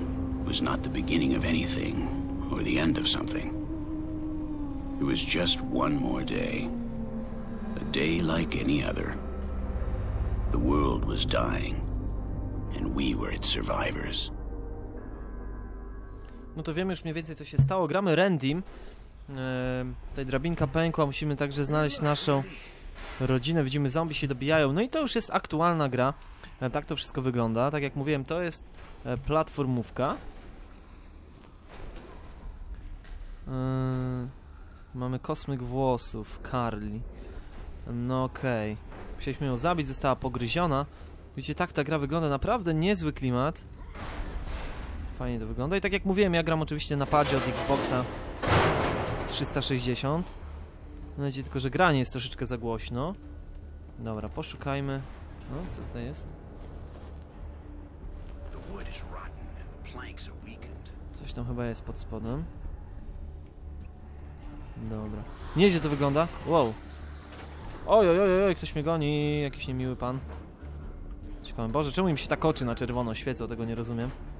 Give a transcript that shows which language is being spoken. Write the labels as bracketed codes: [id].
[en] day was not the beginning of anything, or the end of something. It was just one more day. A day like any other. The world was dying, and we were its survivors. [pl] No to wiemy już mniej więcej, co się stało. Gramy Randym. Tutaj drabinka pękła, musimy także znaleźć naszą rodzinę. Widzimy, zombie się dobijają. No i to już jest aktualna gra. Tak to wszystko wygląda. Tak jak mówiłem, to jest platformówka. Mamy kosmyk włosów, Carly. No okej. Okay. Musieliśmy ją zabić, została pogryziona. Widzicie, tak ta gra wygląda. Naprawdę niezły klimat. Fajnie to wygląda. I tak jak mówiłem, ja gram oczywiście na padzie od Xboxa 360. Będzie tylko, że granie jest troszeczkę za głośno. Dobra, poszukajmy. No, co tutaj jest? [en] The wood is rotten and the planks are weakened. [pl] Coś tam chyba jest pod spodem. Dobra. Nieźle to wygląda. Wow. Oj, ktoś mnie goni, jakiś niemiły pan. Ciekawe. Boże, czemu im się tak oczy na czerwono świecą, tego nie rozumiem.